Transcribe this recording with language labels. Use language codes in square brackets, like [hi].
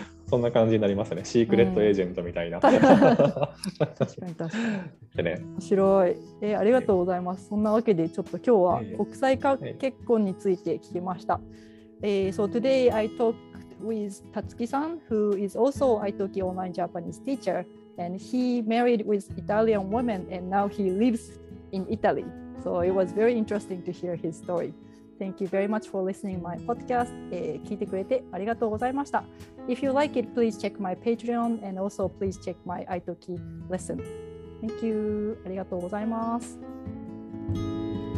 [ja] そんな感じになりますね、シークレットエージェントみたいな。確かに確かに、ね、面白い、ありがとうございます。そんなわけでちょっと今日は国際結婚について聞きました。 [en] So today I talked with Tatsuki-san, who is also Italki online Japanese teacher, and he married with Italian woman and now he lives in Italy. So it was very interesting to hear his story. Thank you very much for listening my podcast. [ja] 聞いてくれてありがとうございました。 [en] If you like it, please check my Patreon and also please check my Italki lesson. Thank you. [ja] ありがとうございます。